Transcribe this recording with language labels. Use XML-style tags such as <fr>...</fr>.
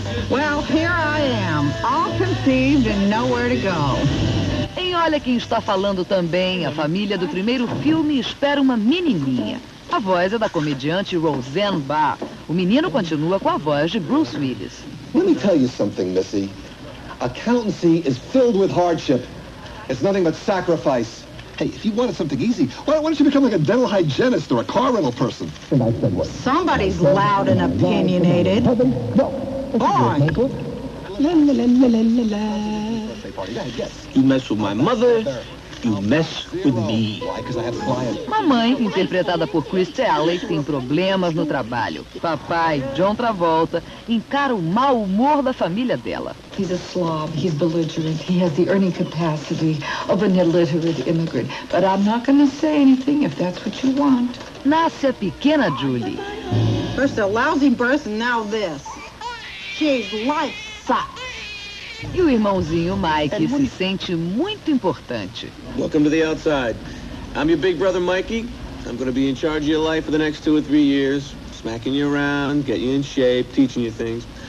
<en>Well, here I am, all conceived and nowhere to go.</en> <pt>E olha quem está falando também. A família do primeiro filme espera uma menininha. A voz é da comediante Roseanne Barr. O menino continua com a voz de Bruce Willis.</pt> <en>Let me tell you something, Missy. Accountancy is filled with hardship. It's nothing but sacrifice. Hey, if you wanted something easy, why don't you become like a dental hygienist or a car rental person? And I said what? Somebody's loud and opinionated. You mess with my mother, you mess with me.</en> <pt>Mamãe, interpretada por Chris Talley, tem problemas no trabalho. Papai, John Travolta, encara o mau humor da família dela.</pt> <en>He's a slob, he's belligerent, he has the earning capacity of an illiterate immigrant. But I'm not gonna say anything if that's what you want.</en> <pt>Nasce a pequena Julie.</pt> <en>First a lousy birth and now this. She's life sucks.</en> <pt>E o irmãozinho Mike se sente muito importante.</pt> <en>Welcome to the outside. I'm your big brother Mikey. I'm gonna be in charge of your life for the next two or three years. Smacking you around, getting you in shape, teaching you things.</en>